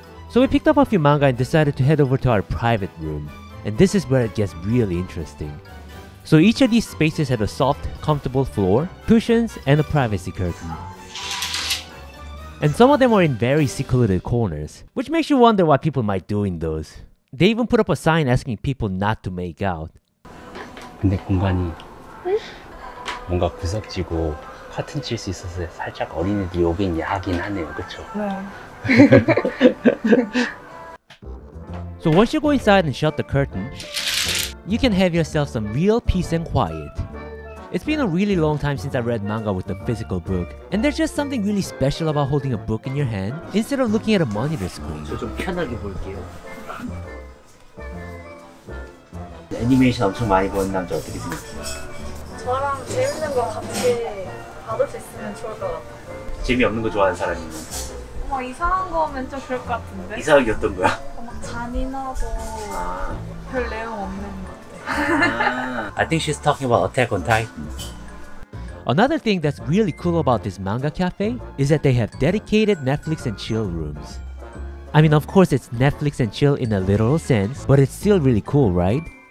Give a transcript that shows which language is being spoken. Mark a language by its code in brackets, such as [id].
[en] So we picked up a few manga and decided to head over to our private room. And this is where it gets really interesting. So each of these spaces had a soft, comfortable floor, cushions, and a privacy curtain. And some of them were in very secluded corners, which makes you wonder what people might do in those. They even put up a sign asking people not to make out. [ko] 근데 공간이 뭔가 구석지고 커튼 칠 수 있어서 살짝 어린애들이 오긴 야하긴 하네요, 그쵸? 네. [en] So once you go inside and shut the curtain, you can have yourself some real peace and quiet. It's been a really long time since I read manga with a physical book, and there's just something really special about holding a book in your hand instead of looking at a monitor screen. [ko] 저 좀 편하게 볼게요. 애니메이션 엄청 많이 본 남자 어떻게 생각해요? 저랑 재밌는 거 같이 받을 수 있으면 좋을 것 같아요. 재미없는 거 좋아하는 사람이 있나? 막 이상한 거면 좀 그럴 것 같은데? 이상한 게 어떤 거야? 막 잔인하고 아. 별 내용 없는 거. [en] I think she's talking about Attack on Titan. Another thing that's really cool about this manga cafe is that they have dedicated Netflix and chill rooms. I mean, of course, it's Netflix and chill in a literal sense, but it's still really cool, right?